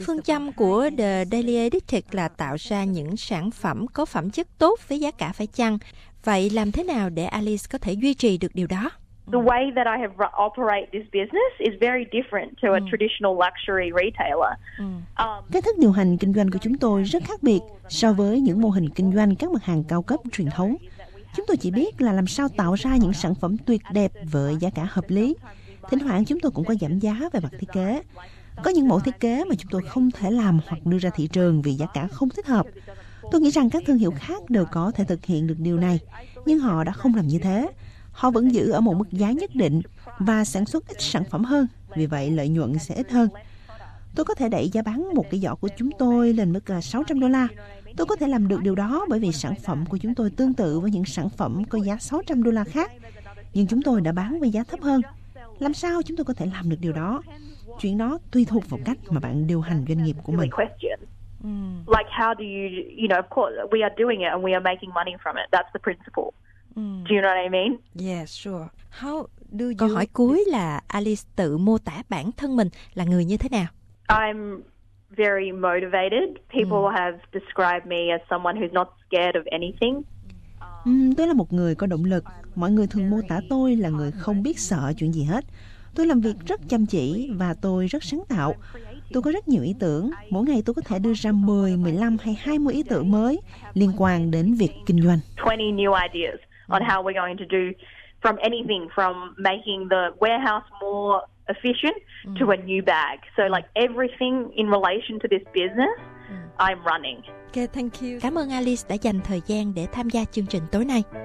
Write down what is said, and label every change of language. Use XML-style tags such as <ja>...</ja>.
<vi>Phương châm của The Daily Edited là tạo ra những sản phẩm có phẩm chất tốt với giá cả phải chăng. Vậy làm thế nào để Alice có thể duy trì được điều đó?</vi> <en>The way that I have operate this business is very different to a traditional luxury retailer.</en> <vi>Cách thức điều hành kinh doanh của chúng tôi rất khác biệt so với những mô hình kinh doanh các mặt hàng cao cấp truyền thống. Chúng tôi chỉ biết là làm sao tạo ra những sản phẩm tuyệt đẹp với giá cả hợp lý. Thỉnh thoảng chúng tôi cũng có giảm giá về mặt thiết kế. Có những mẫu thiết kế mà chúng tôi không thể làm hoặc đưa ra thị trường vì giá cả không thích hợp. Tôi nghĩ rằng các thương hiệu khác đều có thể thực hiện được điều này, nhưng họ đã không làm như thế. Họ vẫn giữ ở một mức giá nhất định và sản xuất ít sản phẩm hơn, vì vậy lợi nhuận sẽ ít hơn. Tôi có thể đẩy giá bán một cái giỏ của chúng tôi lên mức là $600. Tôi có thể làm được điều đó bởi vì sản phẩm của chúng tôi tương tự với những sản phẩm có giá $600 khác, nhưng chúng tôi đã bán với giá thấp hơn. Làm sao chúng tôi có thể làm được điều đó? Chuyện đó tùy thuộc vào cách mà bạn điều hành doanh nghiệp của mình.</vi> <en>Like how do you, you know, of course we are doing it and we are making money from it. That's the principle. Do you know what I mean? Yeah, sure. How do you...</en> <vi>Câu hỏi cuối là Alice tự mô tả bản thân mình là người như thế nào?</vi> <en>I'm very motivated. People have described me as someone who's not scared of anything.</en> <vi>Tôi là một người có động lực. Mọi người thường mô tả tôi là người không biết sợ chuyện gì hết. Tôi làm việc rất chăm chỉ và tôi rất sáng tạo. Tôi có rất nhiều ý tưởng. Mỗi ngày tôi có thể đưa ra 10, 15 hay 20 ý tưởng mới liên quan đến việc kinh doanh.</vi> <en>20 new ideas on how we're going to do from anything from making the warehouse more efficient to a new bag. So like everything in relation to this business, I'm running. Okay, thank you.</en> <vi>Cảm ơn Alice đã dành thời gian để tham gia chương trình tối nay.</vi>